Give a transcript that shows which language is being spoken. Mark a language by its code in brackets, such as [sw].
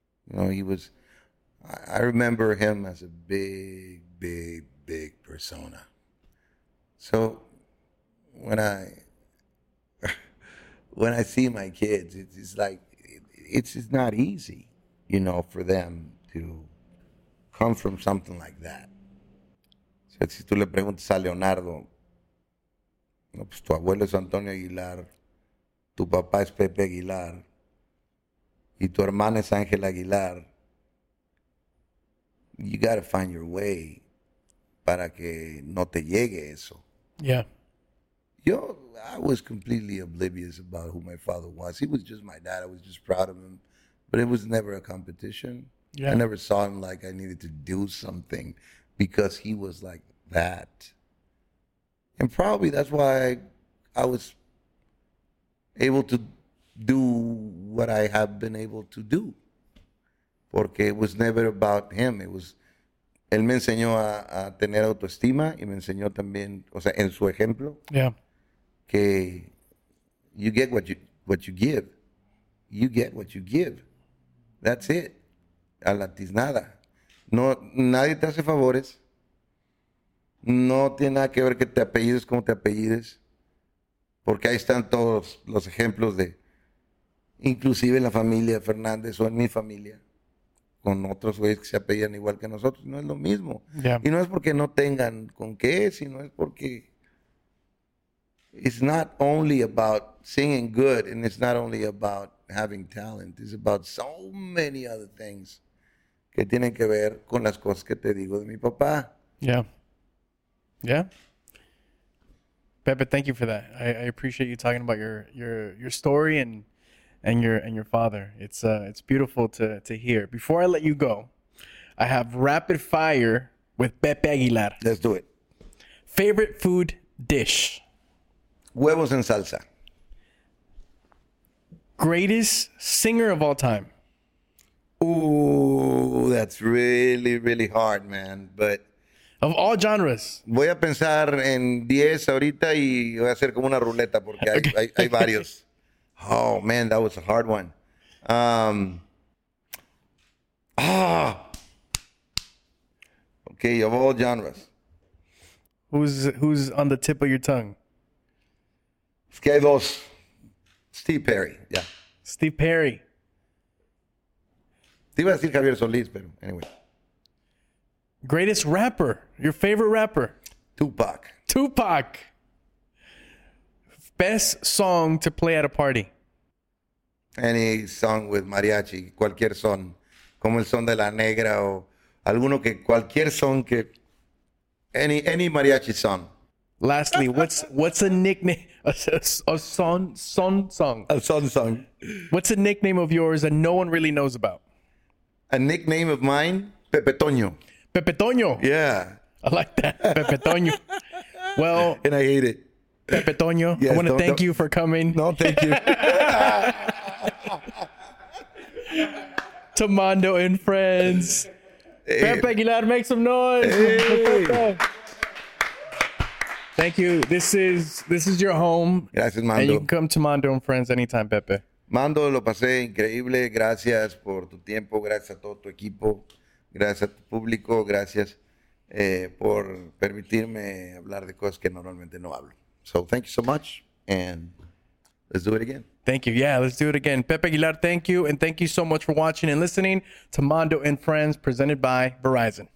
[en] You know, he was, I remember him as a big, big, big persona. So when I see my kids, it's like, it's not easy, you know, for them to come from something like that. [es] Si tú le preguntas a Leonardo, no, pues tu abuelo es Antonio Aguilar, tu papá es Pepe Aguilar, y tu hermana es Ángel Aguilar, [en] you gotta find your way [es] para que no te llegue eso. [en] Yeah. Yo, I was completely oblivious about who my father was. He was just my dad. I was just proud of him. But it was never a competition. Yeah. I never saw him like I needed to do something because he was like that. And probably that's why I was able to do what I have been able to do. [es] Porque [en] it was never about him. It was, [es] él me enseñó a tener autoestima y me enseñó también, o sea, en su ejemplo. [en] Yeah. [es] Que [en] you get what you give. You get what you give. That's it. [es] A la tiznada. No, nadie te hace favores. No tiene nada que ver que te apellides como te apellides. Porque ahí están todos los ejemplos de, inclusive en la familia Fernández o en mi familia, con otros güeyes que se apellan igual que nosotros. No es lo mismo. [en] Yeah. [es] Y no es porque [en] no tengan con qué, sino es porque it's not only about singing good and it's not only about having talent. It's about so many other things [es] que tienen que ver con las cosas que te digo de mi papá. [en] Yeah. Yeah. Pepe, thank you for that. I appreciate you talking about your story and your father. It's beautiful to hear. Before I let you go, I have rapid fire with Pepe Aguilar. Let's do it. Favorite food dish? [es] Huevos en salsa. [en] Greatest singer of all time? Ooh, that's really, really hard, man. But of all genres. [es] Voy a pensar en 10 ahorita y voy a hacer como una ruleta porque hay, okay. hay varios. [en] Oh, man, that was a hard one. Okay, of all genres. Who's on the tip of your tongue? [es] Es que hay dos. Steve Perry, yeah. [en] Steve Perry. [es] Te iba a decir Javier Solís, pero anyway. [en] Greatest rapper, your favorite rapper? Tupac. Best song to play at a party? Any song with mariachi, [es] cualquier son, como el son de la negra o alguno que cualquier son que [en] any mariachi song. Lastly, what's a nickname? A son song. What's a nickname of yours that no one really knows about? A nickname of mine? Pepe Toño. Yeah. I like that. Pepe Toño. Well. And I hate it. Pepe Toño, yes, I want to thank you for coming. No, thank you. To Mando and Friends. Hey. Pepe Aguilar, make some noise. Hey. Thank you. This is your home. [es] Gracias, Mando. [en] And you can come to Mando and Friends anytime, Pepe. [es] Mando, lo pasé increíble. Gracias por tu tiempo. Gracias a todo tu equipo. Gracias a tu público. Gracias por permitirme hablar de cosas que normalmente no hablo. [en] So thank you so much. And let's do it again. Thank you. Yeah, let's do it again. Pepe Aguilar, thank you. And thank you so much for watching and listening to Mando and Friends presented by Verizon.